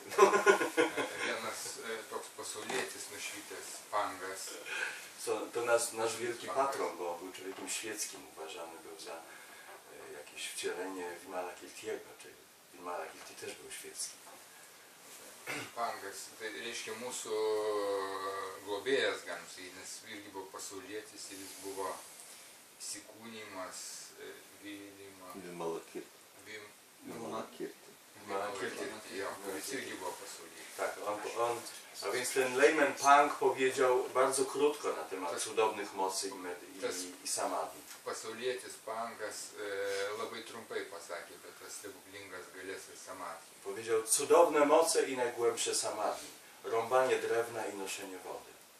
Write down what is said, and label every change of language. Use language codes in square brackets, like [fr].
[lt] Vienas toks pasaulietis, nušvytės, Pangas. [pl] To nasz wielki patron, bo był człowiekiem świeckim, uważany był za jakieś wcielenie Vimalakirtiego, czyli Vimalakirti też był świecki. [lt] Pangas, to jest mūsų globėjas, nes irgi buvo pasaulietis, ir jis buvo įsikūnimas, vylimas... Vimalakirti. Kuris irgi buvo pasaulietis. [pl] Tak, a więc ten layman Pang powiedział bardzo krótko na temat cudownych mocy i samadhi. [lt] Pasaulietis Pangas labai trumpai pasakė, bet tas stebuklingas galės ir samadhi. [pl] Powiedział cudowne moce i najgłębsze samadhi. Rąbanie drewna i noszenie wody.